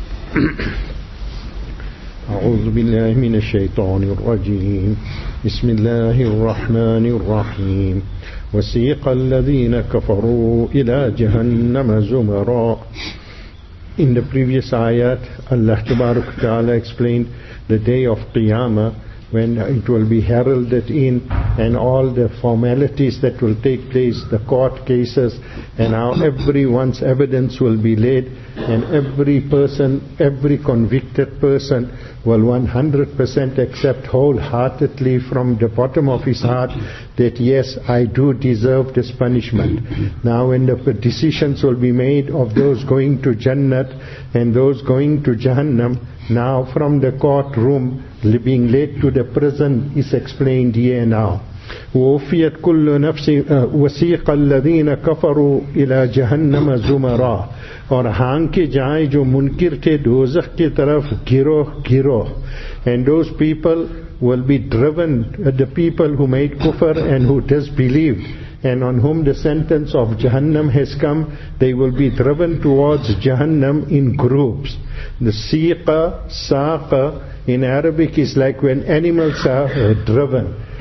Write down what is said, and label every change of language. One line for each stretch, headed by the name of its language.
Arabic: أعوذ بالله من الشيطان الرجيم. بسم الله الرحمن الرحيم. وسيق الذين كفروا إلى جهنم زمراء.
English: In the previous ayat, Allah Tabaraka Ta'ala explained the day of Qiyamah, when it will be heralded in, and all the formalities that will take place, the court cases, and how everyone's evidence will be laid, and every person, every convicted person, will 100% accept wholeheartedly from the bottom of his heart that yes, I do deserve this punishment. Now when the decisions will be made of those going to Jannat and those going to Jahannam, now from the courtroom, being led to the prison is explained here now.
Arabic: وَوْفِيَتْ كُلُّ نَفْسِ وَسِيقَ الَّذِينَ كَفَرُوا إِلَىٰ جَهَنَّمَ زُمَرَىٰ.
Urdu: اور ہاں کے جائیں جو منکر تھے دوزخ کی طرف گروہ گروہ.
English: And those people will be driven, the people who made kufr and who disbelieved, and on whom the sentence of Jahannam has come, they will be driven towards Jahannam in groups. The siqa, saqa, in Arabic is like when animals are driven.